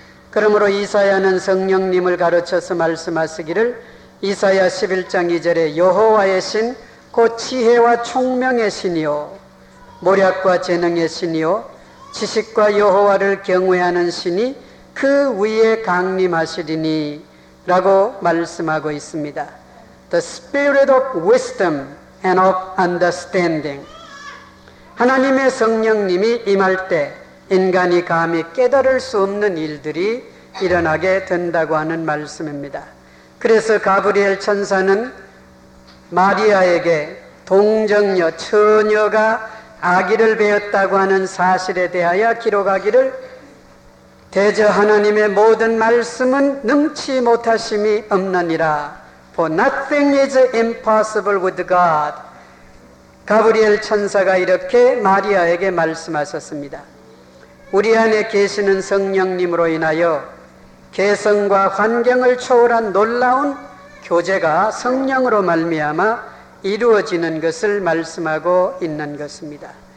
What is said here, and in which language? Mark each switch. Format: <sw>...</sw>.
<ko>그러므로 이사야는 성령님을 가르쳐서 말씀하시기를 이사야 11장 2절에 여호와의 신 곧 지혜와 총명의 신이요 모략과 재능의 신이요 지식과 여호와를 경외하는 신이 그 위에 강림하시리니 라고 말씀하고 있습니다.</ko> <en>The spirit of wisdom and of understanding.</en> <ko>하나님의 성령님이 임할 때 인간이 감히 깨달을 수 없는 일들이 일어나게 된다고 하는 말씀입니다. 그래서 가브리엘 천사는 마리아에게 동정녀 처녀가 아기를 배웠다고 하는 사실에 대하여 기록하기를 대저 하나님의 모든 말씀은 능치 못하심이 없느니라.</ko> <en>For nothing is impossible with God.</en> <ko>가브리엘 천사가 이렇게 마리아에게 말씀하셨습니다. 우리 안에 계시는 성령님으로 인하여 개성과 환경을 초월한 놀라운 교제가 성령으로 말미암아 이루어지는 것을 말씀하고 있는 것입니다.</ko>